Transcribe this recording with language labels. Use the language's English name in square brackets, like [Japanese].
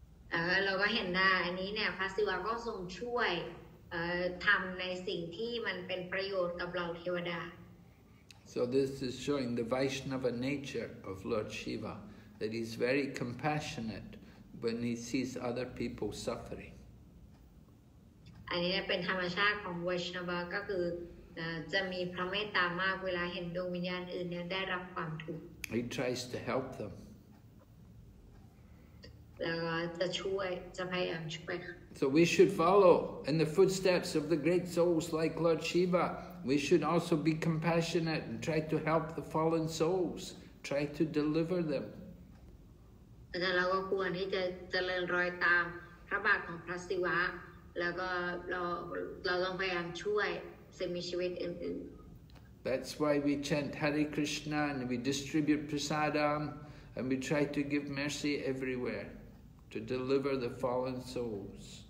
[English] So this is showing the Vaishnava nature of Lord Shiva, that he's very compassionate. When he sees other people suffering. [Thai] อันนี้เป็นธรรมชาติของวัชนาบาก็คือจะมีพระเมตตามากเวลาเห็นดวงวิญญาณอื่นเนี่ยได้รับความทุกข์ [English] He tries to help them. [Thai] แล้วก็จะช่วยจะพยายามช่วย [English] So we should follow in the footsteps of the great souls like Lord Shiva. We should also be compassionate and try to help the fallen souls. Try to deliver them. [Thai] แต่เราก็ควรที่จะเจริญรอยตามพระบาทของพระศิวะแล้วก็เราต้องพยายามช่วยสิ่งมีชีวิตอื่น [English] ๆ That's why we chant Hare Krishna and we distribute prasadam and we try to give mercy everywhere to deliver the fallen souls